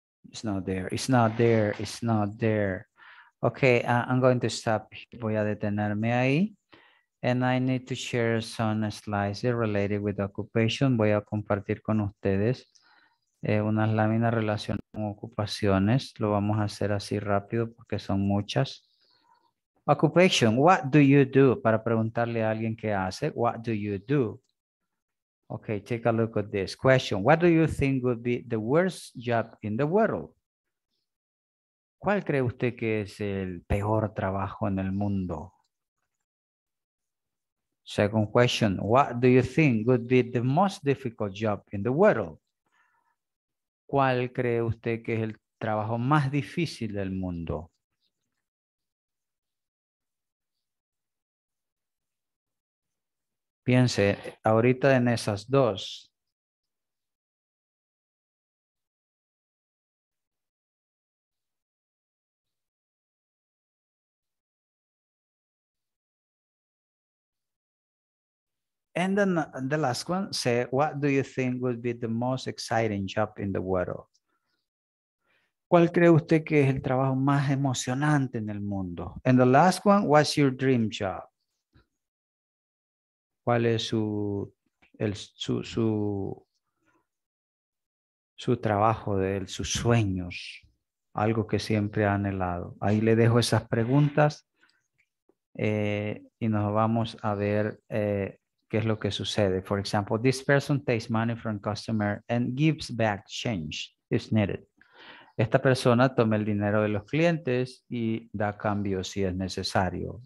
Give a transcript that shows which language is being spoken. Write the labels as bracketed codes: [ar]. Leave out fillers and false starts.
[en] It's not there. It's not there. It's not there. Okay, I'm going to stop. [es] Voy a detenerme ahí. [en] And I need to share some slides related with occupation. [es] Voy a compartir con ustedes unas láminas relacionadas con ocupaciones. Lo vamos a hacer así rápido porque son muchas. [en] Occupation, what do you do? [es] Para preguntarle a alguien qué hace, [en] what do you do? Okay, take a look at this question. What do you think would be the worst job in the world? [es] ¿Cuál cree usted que es el peor trabajo en el mundo? [en] Second question, what do you think would be the most difficult job in the world? [es] ¿Cuál cree usted que es el trabajo más difícil del mundo? Piense ahorita en esas dos. [en] And then the last one, say, what do you think would be the most exciting job in the world? [es] ¿Cuál cree usted que es el trabajo más emocionante en el mundo? [en] And the last one, what's your dream job? [es] ¿Cuál es su trabajo, sus sueños? Algo que siempre ha anhelado. Ahí le dejo esas preguntas y nos vamos a ver qué es lo que sucede. [en] For example, this person takes money from customer and gives back change if needed. [es] Esta persona toma el dinero de los clientes y da cambio si es necesario.